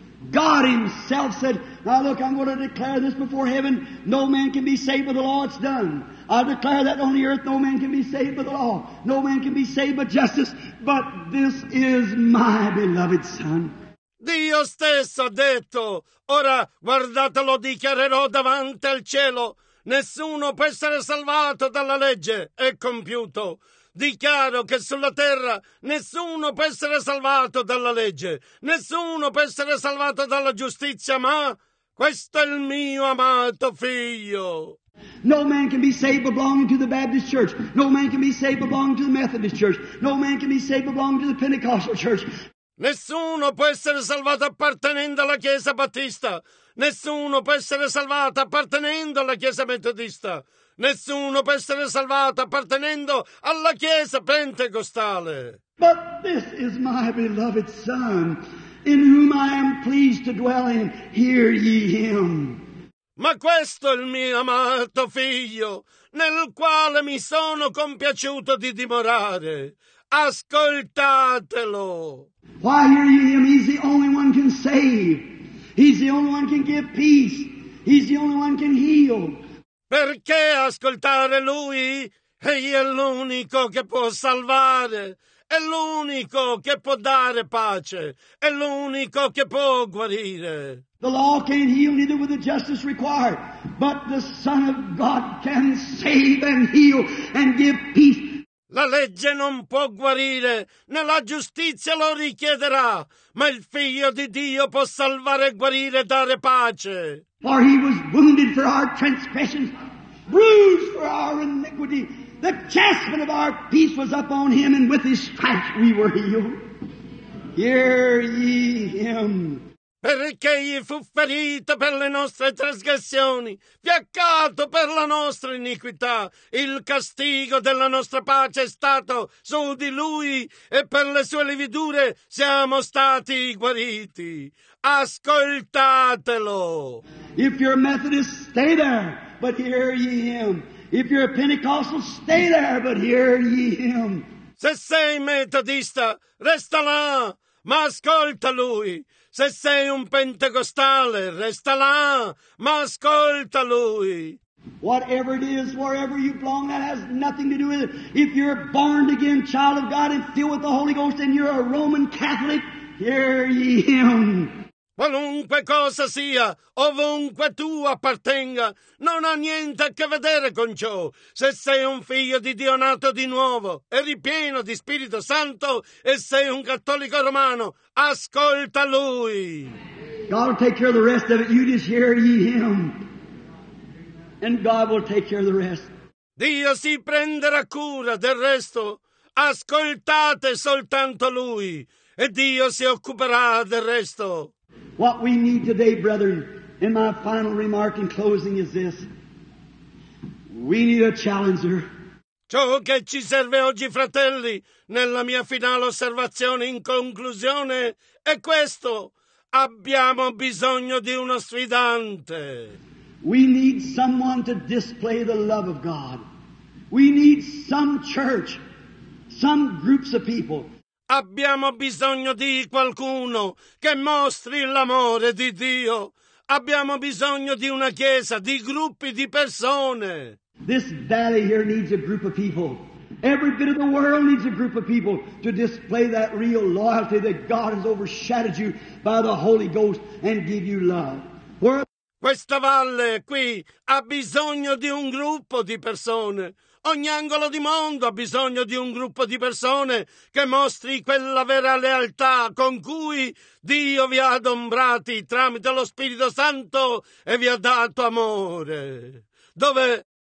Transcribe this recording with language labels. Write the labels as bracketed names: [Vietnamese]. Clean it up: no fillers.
[English] God himself said, now look, I'm going to declare this before heaven, no man can be saved by the law, it's done. I declare that on the earth, no man can be saved by the law. No man can be saved by justice, but this is my beloved son. [Italian] Dio stesso ha detto, ora guardatelo, dichiarerò davanti al cielo, nessuno può essere salvato dalla legge, è compiuto. Dichiaro che sulla terra nessuno può essere salvato dalla legge, nessuno può essere salvato dalla giustizia, ma questo è il mio amato figlio. [English] No man can be saved belonging to the Baptist Church. No man can be saved belonging to the Methodist Church. No man can be saved belonging to the Pentecostal Church. [Italian] Nessuno può essere salvato appartenendo alla Chiesa Battista. Nessuno può essere salvato appartenendo alla Chiesa Metodista. Nessuno può essere salvato appartenendo alla Chiesa Pentecostale. [English] But this is my beloved Son, in whom I am pleased to dwell in. Hear ye him. [Italian] Ma questo è il mio amato figlio, nel quale mi sono compiaciuto di dimorare. Ascoltatelo. [English] Why hear ye him? He's the only one can save. He's the only one can give peace. He's the only one can heal. [Italian] Perché ascoltare lui? Egli è l'unico che può salvare, è l'unico che può dare pace, è l'unico che può guarire. [English] The law can't heal neither with the justice required, but the Son of God can save and heal and give peace. [Italian] La legge non può guarire, né la giustizia lo richiederà, ma il Figlio di Dio può salvare, guarire e dare pace. [English] For he was wounded for our transgressions, bruised for our iniquity. The chastisement of our peace was upon him, and with his stripes we were healed. Hear ye him. [Italian] Perché egli fu ferito per le nostre trasgressioni, fiaccato per la nostra iniquità. Il castigo della nostra pace è stato su di lui, e per le sue lividure siamo stati guariti. Ascoltatelo. [English] If you're a Methodist, stay there, but hear ye him. If you're a Pentecostal, stay there, but hear ye him. [Italian] Se sei metodista, resta là, ma ascolta lui. Se sei un pentecostale, resta là, ma ascolta lui. [English] Whatever it is, wherever you belong, that has nothing to do with it. If you're born again, child of God, and filled with the Holy Ghost, and you're a Roman Catholic, hear ye him. [Italian] Qualunque cosa sia, ovunque tu appartenga, non ha niente a che vedere con ciò. Se sei un figlio di Dio nato di nuovo, eri pieno di Spirito Santo e sei un cattolico romano, ascolta lui. [English] God will take care of the rest of it. You just hear ye him. And God will take care of the rest. [Italian] Dio si prenderà cura del resto. Ascoltate soltanto lui. E Dio si occuperà del resto. [English] What we need today, brethren, in my final remark in closing is this. We need a challenger. [Italian] Ciò che ci serve oggi, fratelli, nella mia finale osservazione in conclusione, è questo. Abbiamo bisogno di uno sfidante. [English] We need someone to display the love of God. We need some church, some groups of people. [Italian] Abbiamo bisogno di qualcuno che mostri l'amore di Dio. Abbiamo bisogno di una chiesa, di gruppi di persone. [English] This valley here needs a group of people. Every bit of the world needs a group of people to display that real loyalty that God has overshadowed you by the Holy Ghost and give you love. [Italian] Questa valle qui ha bisogno di un gruppo di persone. Ogni angolo di mondo ha bisogno di un gruppo di persone che mostri quella vera lealtà con cui Dio vi ha adombrati tramite lo Spirito Santo e vi ha dato amore. Dove